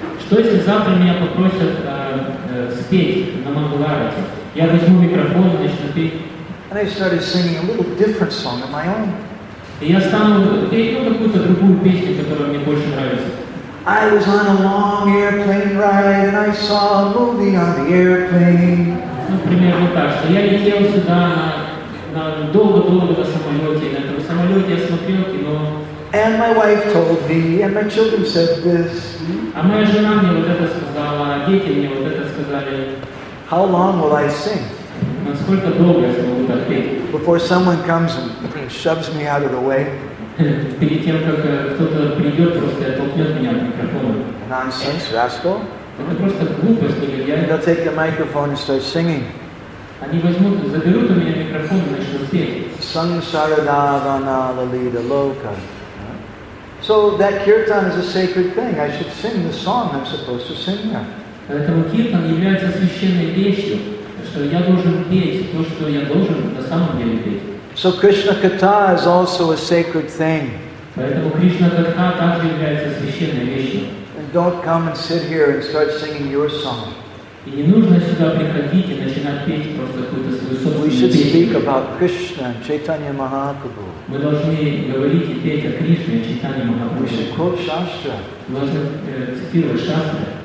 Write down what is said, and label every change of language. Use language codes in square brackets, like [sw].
[ru] Что если завтра меня попросят спеть на Мангал Арти? Я возьму микрофон и начну петь. [en] And I started singing a little different song of my own. [ru] И я стану петь какую-то другую песню, которая мне больше нравится. [en] I was on a long airplane ride and I saw a movie on the airplane. [ru] Например, вот так, что я летел сюда на долго-долго на самолете, на этом самолете я смотрел кино. [en] And my wife told me, and my children said this. [ru] А моя жена мне вот это сказала, дети мне вот это сказали. [en] How long will I sing? [ru] Насколько долго я смогу так петь? [en] Before someone comes and shoves me out of the way. [ru] Перед тем, как кто-то придет, просто толкнет меня от микрофона. [en] Nonsense, rascal. [ru] Это просто глупость, негодяй. [en] They'll take the microphone and start singing. [ru] Они возьмут, заберут у меня микрофон и начнут петь. [sa] Sansaradavana lalita loka. [en] So that kirtan is a sacred thing. I should sing the song I'm supposed to sing there. [ru] Поэтому киртан является священной вещью. Что я должен петь то, что я должен на самом деле петь. [en] So Krishna Katha is also a sacred thing. [ru] Поэтому Кришна Катха также является священной вещью. [en] And don't come and sit here and start singing your song. [ru] И не нужно сюда приходить и начинать петь просто какую-то свою собственную песню. [en] We should speak about Krishna and Chaitanya Mahaprabhu. [ru] Мы должны говорить и петь о Кришне и Чайтанье Махапрабху. [en] We should quote Shastra. [ru] Мы должны цитировать Шастру.